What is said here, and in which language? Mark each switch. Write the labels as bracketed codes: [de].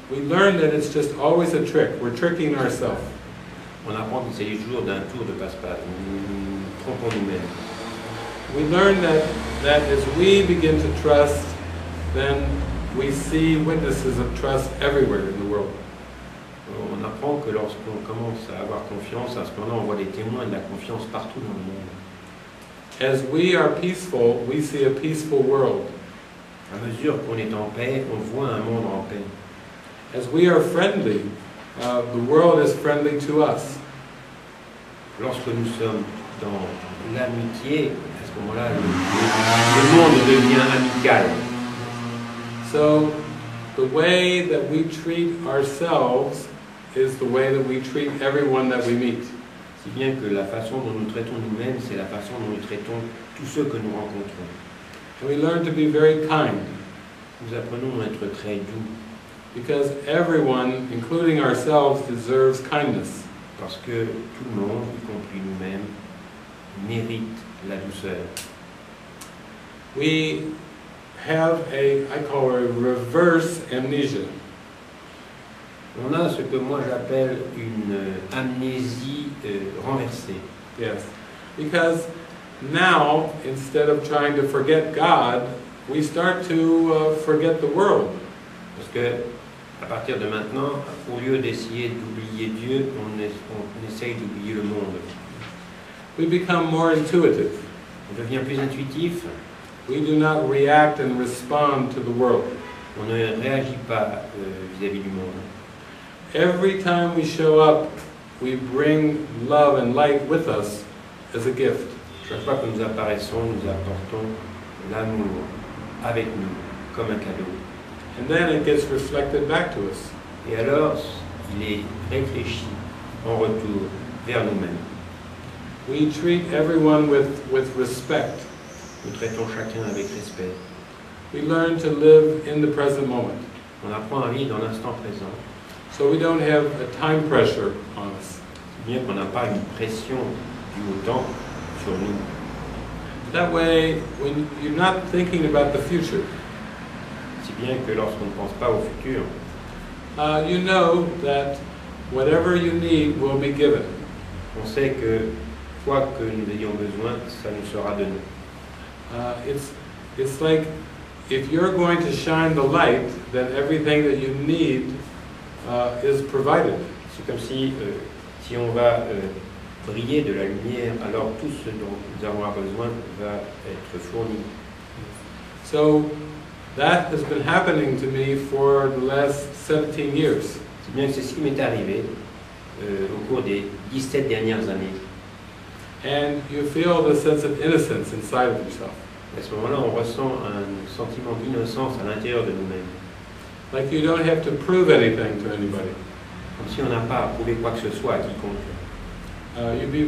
[en] we learn that it's just always a trick. We're tricking ourselves. [fr] On apprend qu'il s'agit toujours d'un tour de passe-passe. Nous trompons nous-mêmes. [en] We learn that as we begin to trust, then we see witnesses of trust everywhere in the world. [fr] On apprend que lorsqu'on commence à avoir confiance, à ce moment-là, on voit des témoins de la confiance partout dans le monde. [en] As we are peaceful, we see a peaceful world. [fr] À mesure qu'on est en paix, on voit un monde en paix. [en] As we are friendly, the world is friendly to us. [fr] Lorsque nous sommes dans l'amitié, à ce moment-là, le monde devient amical. [en] So, the way that we treat ourselves is the way that we treat everyone that we meet. [fr] Si bien que la façon dont nous traitons nous-mêmes, c'est la façon dont nous traitons tous ceux que nous rencontrons. [en] We learn to be very kind. [fr] Nous apprenons à être très doux. [en] Because everyone, including ourselves, deserves kindness. [fr] Parce que tout le monde, y compris nous-mêmes, mérite la douceur. [en] We have a, I call a reverse amnesia. [fr] On a ce que moi j'appelle une amnésie renversée. [en] Yes. Because now, instead of trying to forget God, we start to forget the world. [fr] Parce que à partir de maintenant, au lieu d'essayer d'oublier Dieu, on essaye d'oublier le monde. [en] We become more intuitive. [fr] On devient plus intuitif. [en] We do not react and respond to the world. [fr] On ne réagit pas vis-à-vis du monde. [en] Every time we show up, we bring love and light with us as a gift. [fr] Chaque fois que nous apparaissons, nous apportons l'amour avec nous, comme un cadeau. [en] And then it gets reflected back to us. [fr] Et alors, il est réfléchi en retour vers nous-mêmes. [en] We treat everyone with respect. [fr] Nous traitons chacun avec respect. [en] We learn to live in the present moment. [fr] On apprend à vivre dans l'instant présent. [en] So we don't have a time pressure on us. [fr] Bien qu'on n'a pas une pression du temps sur nous. [en] That way, when you're not thinking about the future, [fr] si bien que lorsqu'on ne pense pas au futur, [en] you know that whatever you need will be given. [fr] On sait que quoi que nous ayons besoin, ça nous sera donné. [en] It's like if you're going to shine the light, then everything that you need is provided. [fr] C'est comme si on va briller de la lumière, alors tout ce dont nous avons besoin va être fourni. [en] So that has been happening to me for the last 17 years. [fr] C'est bien que c'est ce qui m'est arrivé au cours des 17 dernières années. [en] And you feel the sense of innocence inside of yourself. [fr] À ce moment-là, on ressent un sentiment d'innocence à l'intérieur de nous-mêmes. [en] Like you don't have to prove anything to anybody. [fr] Comme si on n'a pas à prouver quoi que ce soit à quiconque.